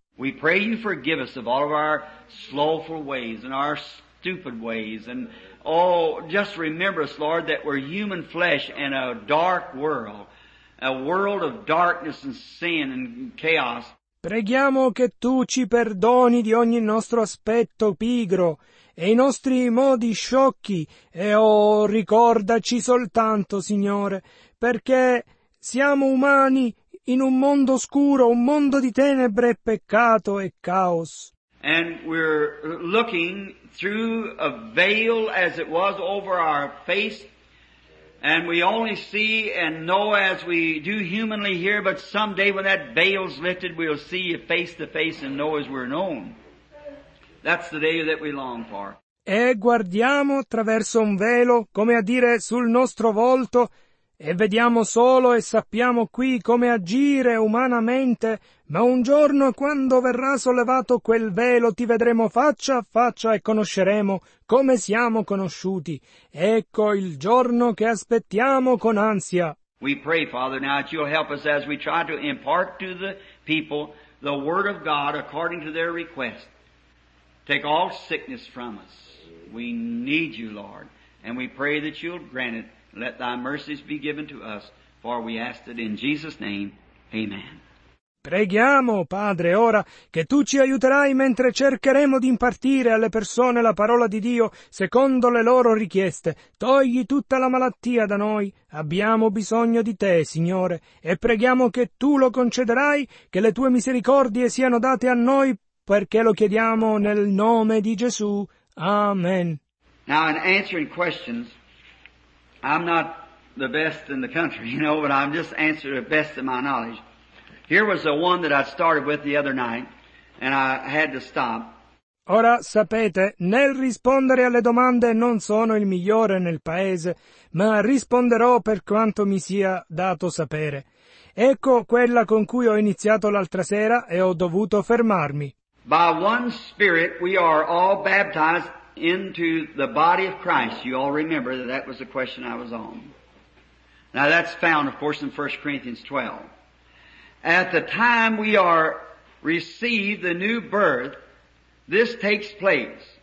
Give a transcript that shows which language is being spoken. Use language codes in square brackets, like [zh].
[en] We pray you forgive us of all of our slothful ways and our stupid ways. And oh, just remember us, Lord, that we're human flesh in a dark world, a world of darkness and sin and chaos. [it] Preghiamo che tu ci perdoni di ogni nostro aspetto pigro e i nostri modi sciocchi. E oh, ricordaci soltanto, Signore, perché siamo umani in un mondo scuro, un mondo di tenebre, peccato e caos. [en] And we're looking through a veil as it was over our face, and we only see and know as we do humanly here, but someday when that veil's lifted, we'll see you face to face and know as we're known. That's the day that we long for. [it] E guardiamo attraverso un velo, come a dire sul nostro volto, e vediamo solo e sappiamo qui come agire umanamente, ma un giorno quando verrà sollevato quel velo ti vedremo faccia a faccia e conosceremo come siamo conosciuti. Ecco il giorno che aspettiamo con ansia. [en] We pray, Father, now that you'll help us as we try to impart to the people the Word of God according to their request. Take all sickness from us. We need you, Lord, and we pray that you'll grant it. Let thy mercies be given to us, for we ask it in Jesus' name. Amen. [it] Preghiamo, Padre, ora, che tu ci aiuterai mentre cercheremo di impartire alle persone la parola di Dio secondo le loro richieste. Togli tutta la malattia da noi. Abbiamo bisogno di te, Signore, e preghiamo che tu lo concederai, che le tue misericordie siano date a noi, perché lo chiediamo nel nome di Gesù. Amen. [en] Now, in answering questions, I'm not the best in the country, you know, but I'm just answering the best of my knowledge. Here was the one that I started with the other night, and I had to stop. [it] Ora sapete, nel rispondere alle domande non sono il migliore nel paese, ma risponderò per quanto mi sia dato sapere. Ecco quella con cui ho iniziato l'altra sera e ho dovuto fermarmi. [en] By one Spirit we are all baptized into the body of Christ. You all remember that was the question I was on. Now that's found, of course, in 1 Corinthians 12. At the time we are received the new birth, this takes place.